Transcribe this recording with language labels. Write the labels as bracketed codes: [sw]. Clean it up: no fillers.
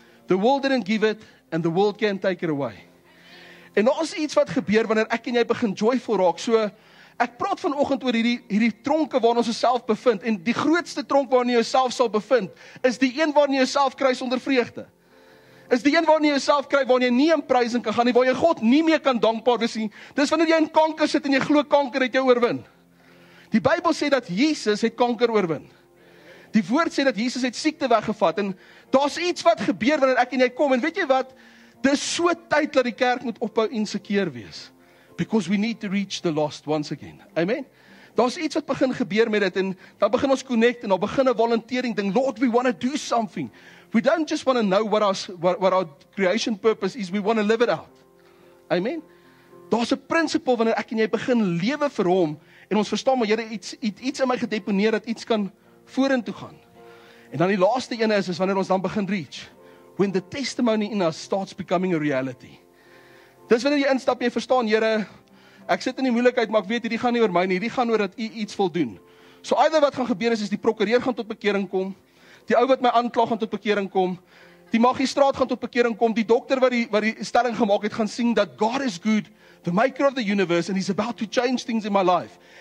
[en] The world didn't give it and the world can't take it away. [af] En daar's iets wat gebeur wanneer ek en jy begin joyful raak. So ek praat vanoggend oor hierdie tronke waarin ons osself bevind en die grootste tronk waarin jy jouself sal bevind is die een waarin jy jouself kry sonder vreugde. Is die een waarin jy jouself kry waarin jy nie in prysing kan gaan nie, waar jy God nie meer kan dankbaar wees nie. Dis wanneer jy in kanker sit en jy glo kanker het jou oorwin. Die Bybel sê dat Jesus het kanker oorwin. Die woord sê dat Jesus het siekte weggevat en daar's iets wat gebeur wanneer ek en jy kom en weet jy wat? Dis so tyd dat die kerk moet ophou insekeer wees. [en] Because we need to reach the lost once again. Amen. [af] Daar's iets wat begin gebeur met dit en dan begin ons connect en dan begin 'n volunteering ding. [en] Lord, we want to do something. We don't just want to know what our creation purpose is. We want to live it out. Amen. [af] Daar's 'n prinsipaal wanneer ek en jy begin lewe vir hom en ons verstaan maar Here iets in my gedeponeer dat iets kan vorentoe gaan. En dan die laaste ene is wanneer ons dan begin reach. [en] When the testimony in us starts becoming a reality. [af] Dis wanneer jy instap en jy verstaan, Here, ek sit in die moeilikheid, maar ek weet hierdie gaan nie oor my nie, hierdie gaan oor dat U iets wil doen. So either wat gaan gebeur is die prokureur gaan tot bekering kom, die ou wat my aankla gaan tot bekering kom, die magistraat gaan tot bekering kom, die dokter wat die stelling gemaak het gaan sien dat [en] God is good, the maker of the universe and he's about to change things in my life.